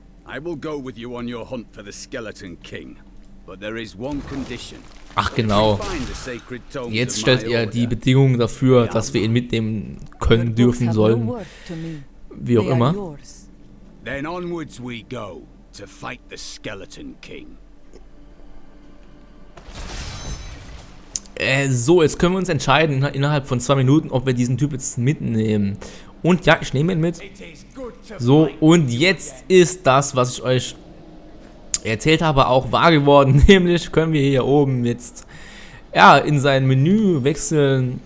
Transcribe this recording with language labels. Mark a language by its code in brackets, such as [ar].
[en] I will go with you on your hunt for the Skeleton King. But there is one condition. [de] Ach genau. Jetzt stellt er die Bedingungen dafür, dass wir ihn mitnehmen können, dürfen, sollen. Wie auch immer. [en] Then onwards we go to fight the Skeleton King. [de] So, jetzt können wir uns entscheiden innerhalb von 2 Minuten, ob wir diesen Typ jetzt mitnehmen. Und ja, ich nehme ihn mit. So, und jetzt ist das, was ich euch Er erzählt aber auch wahr geworden, nämlich können wir hier oben jetzt ja in sein Menü wechseln.